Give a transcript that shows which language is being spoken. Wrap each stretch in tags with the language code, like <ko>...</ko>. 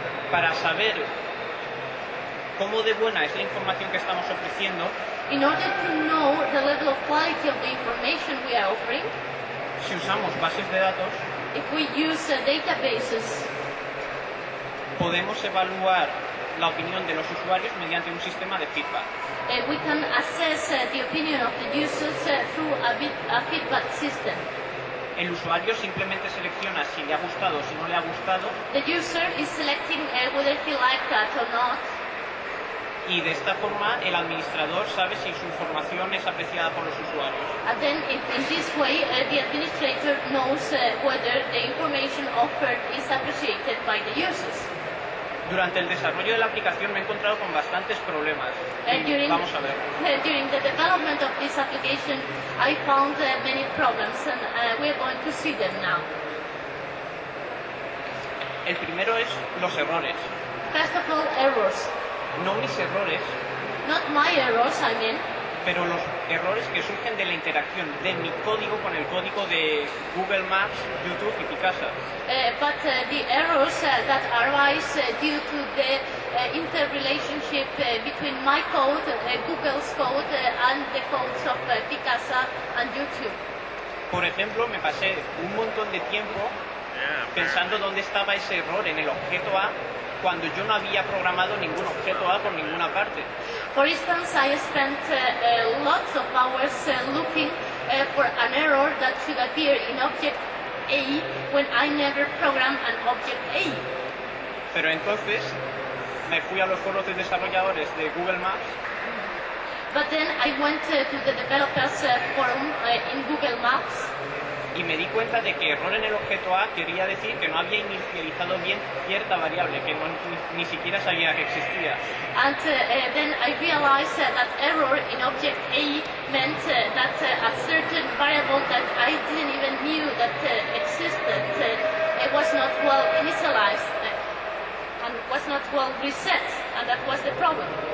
<es>Para saber cómo de buena es la información que estamos ofreciendo.</es> <en>In order to know the level of quality of the information we are offering.</en> <es>Si usamos bases de datos.</es> <en>If we use databases.</en> <es>Podemos evaluar la opinión de los usuarios mediante un sistema de feedback.</es> <en>We can assess the opinion of the users through a feedback system.</en> <es>El usuario simplemente selecciona si le ha gustado o si no le ha gustado.</es> <en>The user is selecting whether he liked that or not.</en> <es>y de esta forma el administrador sabe si su información es apreciada por los usuarios.</es> <en>And then in this way the administrator knows whether the information offered is appreciated by the users.</en> <es>Durante el desarrollo de la aplicación me he encontrado con bastantes problemas. Vamos a ver.</es> <en>During the development of this application, I found many problems, and we are going to see them now.</en> <es>El primero es los errores.</es> <en>First of all, errors.</en> <es>No mis errores.</es> <en>Not my errors, I mean.</en> <es>Pero los errores que surgen de la interacción de mi código con el código de Google Maps, YouTube y Picasa.</es> <en>But the errors that arise due to the interrelationship between my code, Google's code, and the codes of Picasa and YouTube.</en> <es>Por ejemplo, me pasé un montón de tiempo pensando dónde estaba ese error en el objeto A, cuando yo no había programado ningún objeto A por ninguna parte.</es> <en>For instance, I spent lots of hours looking for an error that should appear in object A when I never programmed an object A.</en> <es>Pero entonces me fui a los foros de desarrolladores de Google Maps.</es> <en>But then I went to the developers forum in Google Maps.</en> <es>Y me di cuenta de que error en el objeto A quería decir que no había inicializado bien cierta variable, que no, ni siquiera sabía que existía.</es> <en>And then I realized that error in object A meant that a certain variable that I didn't even knew that existed, it was not well initialized, and was not well reset, and that was the problem.</en>